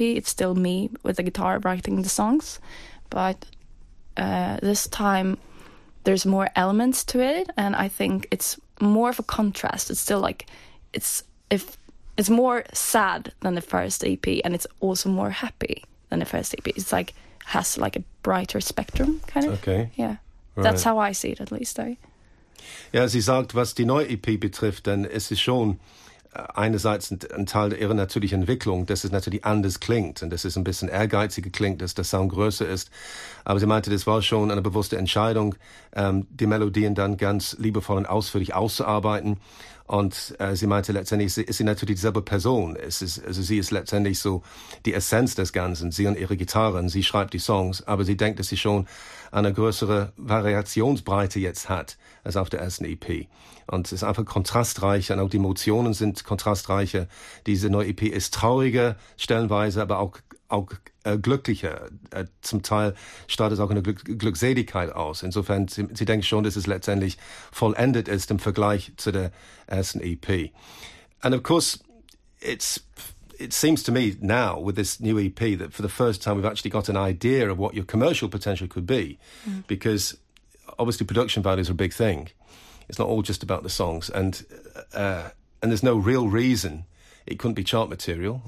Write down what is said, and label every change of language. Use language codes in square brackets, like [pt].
[en] It's still me with the guitar writing the songs, but this time there's more elements to it, and I think it's more of a contrast. It's still like it's more sad than the first EP, and it's also more happy than the first EP. It's like has like a brighter spectrum kind of. Okay. Yeah. Right. That's how I see it at least, though. [de] Ja, sie sagt, was die neue EP betrifft, dann ist es schon einerseits ein Teil ihrer natürlichen Entwicklung, dass es natürlich anders klingt und dass es ein bisschen ehrgeiziger klingt, dass der Sound größer ist. Aber sie meinte, das war schon eine bewusste Entscheidung, die Melodien dann ganz liebevoll und ausführlich auszuarbeiten. Und sie meinte letztendlich, ist sie natürlich dieselbe Person. Sie ist letztendlich so die Essenz des Ganzen. Sie und ihre Gitarren, sie schreibt die Songs, aber sie denkt, dass sie schon eine größere Variationsbreite jetzt hat als auf der ersten EP. Und es ist einfach kontrastreicher und auch die Emotionen sind kontrastreicher. Diese neue EP ist trauriger stellenweise, aber auch glücklicher. Zum Teil strahlt es auch eine Glückseligkeit aus. Insofern, sie denkt schon, dass es letztendlich vollendet ist im Vergleich zu der ersten EP. [en] And of course, it seems to me now with this new EP that for the first time we've actually got an idea of what your commercial potential could be. Mm. Because obviously production values are a big thing. It's not all just about the songs. And there's no real reason it couldn't be chart material.